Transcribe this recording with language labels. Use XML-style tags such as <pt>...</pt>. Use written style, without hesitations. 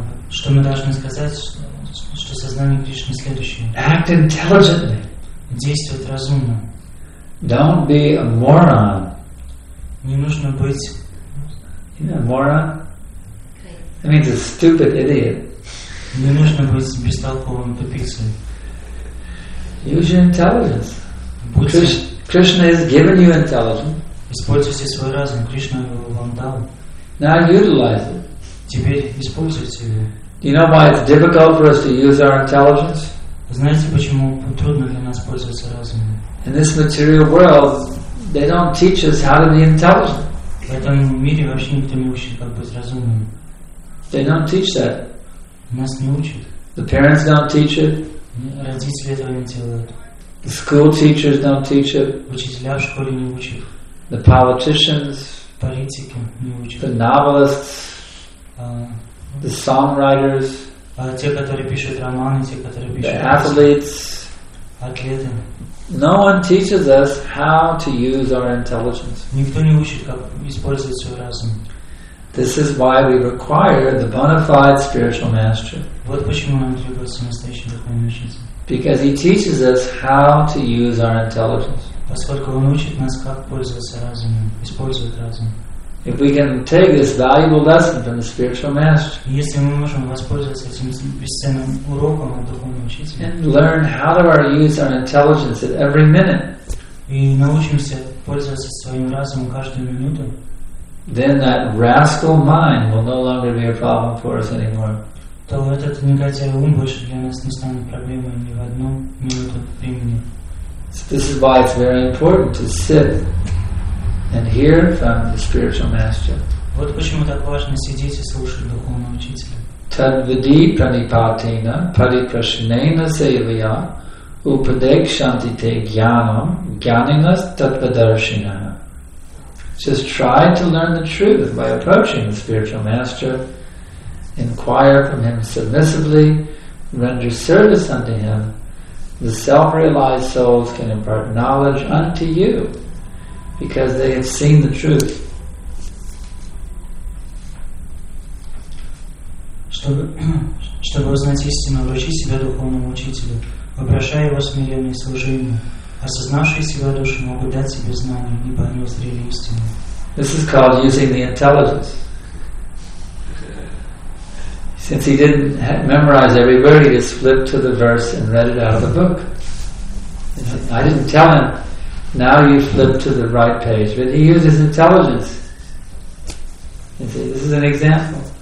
<ru>Что мы должны сказать, что сознание Кришны следующее.</ru> <en>Act intelligently.</en> <ru>Действовать разумно.</ru> <en>Don't be a moron.</en> <ru>Не нужно быть...</ru> <en>You know, moron? That means a stupid idiot.</en> <ru>Не нужно быть бестолковым тупицей.</ru> <en>Use your intelligence. Krishna has given you intelligence.</en> <ru>Используйте свой разум. Кришна его вам дал.</ru> <en>Now utilize it.</en> <ru>Теперь используйте его.</ru> <en>Do you know why it's difficult for us to use our intelligence?</en> <ru>Знаете, почему трудно для нас пользоваться разумом?</ru> <en>In this material world, they don't teach us how to be intelligent.</en> <ru>В этом мире вообще никто не учит, как быть разумным.</ru> <en>They don't teach that.</en> <ru>Нас не учат.</ru> <en>The parents don't teach it.</en> <ru>Родители этого не делают.</ru> <en>The school teachers don't teach it.</en> <ru>Учителя в школе не учат.</ru> <en>The politicians.</en> <ru>Политики не учат.</ru> <en>The novelists. The songwriters,</en> <ru>те, которые пишут романы, те, которые пишут</ru> <en>the athletes,</en> <ru>ответами.</ru> <en>No one teaches us how to use our intelligence.</en> <ru>Никто не учит, как использовать свой разум.</ru> <en>This is why we require the bona fide spiritual master.</en> <ru>Вот почему нам требуется настоящий духовный учитель.</ru> <en>Because he teaches us how to use our intelligence.</en> <ru>Поскольку он учит нас, как пользоваться разумом, использовать разум.</ru> <en>If we can take this valuable lesson from the spiritual master,</en> <ru>если мы можем воспользоваться этим бесценным уроком от духовного учителя,</ru> <en>and learn how to use our intelligence at every minute,</en> <ru>и научимся пользоваться своим разумом каждую минуту,</ru> <en>then that rascal mind will no longer be a problem for us anymore.</en> <ru>То этот негодяй ум больше для нас не станет проблемой ни в одну минуту времени.</ru> <en>So this is why it's very important to sit and hear from the spiritual master.</en> <ru>Вот почему так важно сидеть и слушать духовного учителя.</ru> <sa>Tadvidi pranipatena padiprasnena sevaya upadekshantite jnanam jnaninas tatvadarshinaha.</sa> <en>Just try to learn the truth by approaching the spiritual master, inquire from him submissively, render service unto him. The self-realized souls can impart knowledge unto you, because they have seen the truth.</en> <ru>Чтобы узнать истину, обращи себя духовному учителю, вопрошай его смиренное служение. Осознавшие себя души могут дать себе знание, ибо они узрели истину.</ru> <en>This is called using the intelligence. Since he didn't memorize every word, he just flipped to the verse and read it out of the book. I didn't tell him, now you flip to the right page. But he used his intelligence. You see, this is an example.</en>